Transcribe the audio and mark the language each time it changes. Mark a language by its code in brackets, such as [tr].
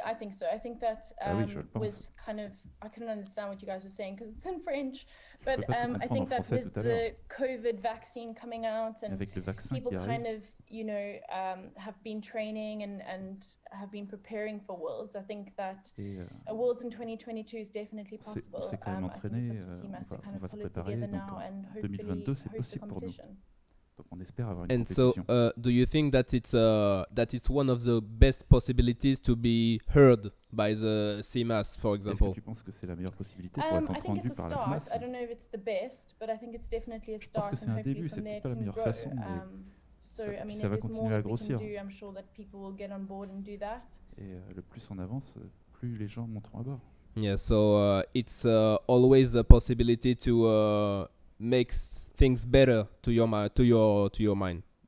[en] I think so. I think that with kind of, I couldn't understand what you guys were saying because it's in French, but I think that with the COVID vaccine coming out and people kind of, you know, have been training and have been preparing for Worlds, I think that a Worlds in 2022 is definitely possible. [fr] On va se préparer. Donc, 2022, c'est possible pour nous. Donc, on espère avoir une compétition. [en] And so, do you think that it's one of the best possibilities to be heard by the CMAS, for example? [fr] Est-ce que tu penses que c'est la meilleure possibilité pour être entendu par la CMAS? [en] I don't know if it's the best, but I think it's definitely a start. [fr] Je pense que c'est un début, c'est pas la meilleure façon. Ça va continuer à grossir. Et le plus on avance, plus les gens monteront à bord. [en] Yeah, so it's always a possibility to make things better to your mind.